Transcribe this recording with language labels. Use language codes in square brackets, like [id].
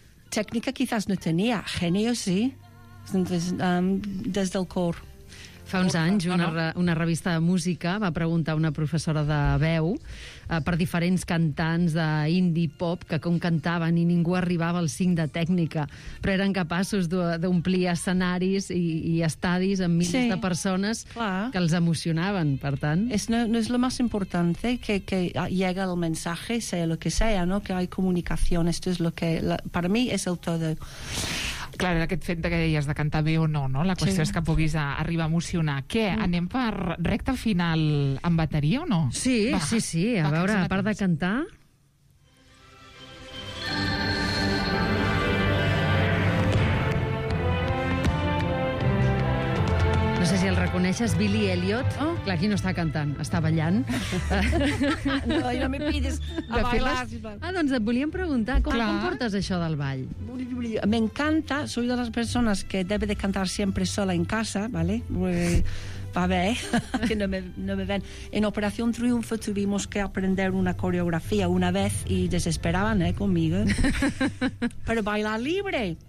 [es] Técnica quizás no tenía, genio sí. Entonces, desde el cor. [ca] Fa uns anys, una revista de música va preguntar a una professora de veu per diferents cantants d'indie pop que com cantaven i ningú arribava al 5 de tècnica, però eren capaços d'omplir escenaris i estadis amb milers, sí, de persones, clar, que els emocionaven, per tant. [es] No és lo más importante que llega el mensaje, sea lo que sea, ¿no? Que hay comunicación, esto es lo que... Para mí es el todo... [ca] Clar, aquest fet que deies de cantar bé o no, no? La qüestió, sí, és que puguis arribar a emocionar. Què, anem per recta final en bateria o no? Sí, va, sí, sí. A va, veure, a part de cantar... No sé si el reconeixes, Billy Elliot. Oh. Clar, aquí no està cantant, està ballant. [es] No me pides a bailar. [ca] Ah, doncs et volíem preguntar, com portes això del ball? [es] Me encanta, soy de las personas que debe de cantar siempre sola en casa, ¿vale? [ca] Va bé, [es] que no me ven. En Operación Triunfo tuvimos que aprender una coreografía una vez y desesperaban, conmigo. Pero bailar libre...